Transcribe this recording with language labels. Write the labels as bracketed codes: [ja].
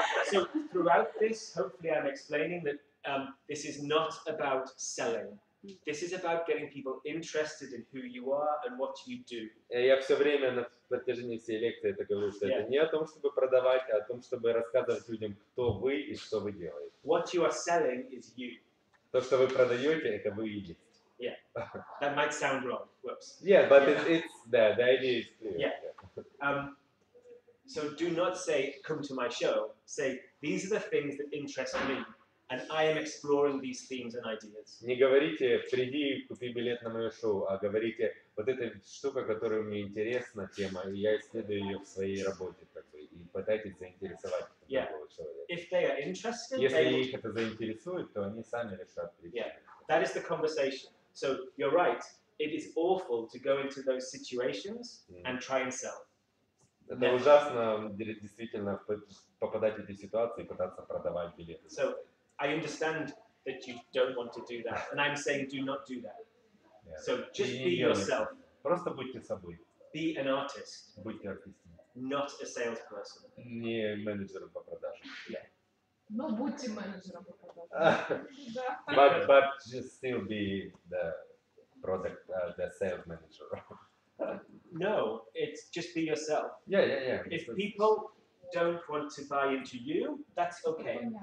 [en] So throughout this, hopefully I'm explaining that this is not about selling. This is about getting people interested in who you are and what you do. [ru] Я все время на протяжении всей лекции это говорю, что это не о том, чтобы продавать, а о том, чтобы рассказывать людям, кто вы и что вы делаете. [en] What you are selling is you. [ru] То, что вы продаете, это вы и есть. [en] Yeah, that might sound wrong. Whoops. Yeah, but it's the idea is clear. Yeah. So do not say, come to my show. Say, these are the things that interest me, and I am exploring these themes and ideas. [ru] Не говорите, приди, купи билет на мое шоу, а говорите, вот эта штука, которая мне интересна, тема, и я исследую ее в своей работе, как бы, и пытайтесь заинтересовать другого человека. [en] If they are interested, [ru] если их это заинтересует, то они сами решат прийти. [en] Yeah, that is the conversation. So you're right. It is awful to go into those situations and try and sell. [ru] Это ужасно, действительно, попадать в эти ситуации и пытаться продавать билеты. [en] So I understand that you don't want to do that, and I'm saying do not do that. Yeah. So just be yourself. [ru] Просто будьте собой. [en] Be an artist. [ru] Будьте артистом. [en] Not a salesperson. [ru] Не менеджером по продажам. [en] Yeah. [ru] Но будьте менеджером по продажам. [en] But just still be the product, the sales manager. No, it's just be yourself. Yeah, yeah, yeah. If people don't want to buy into you, that's okay.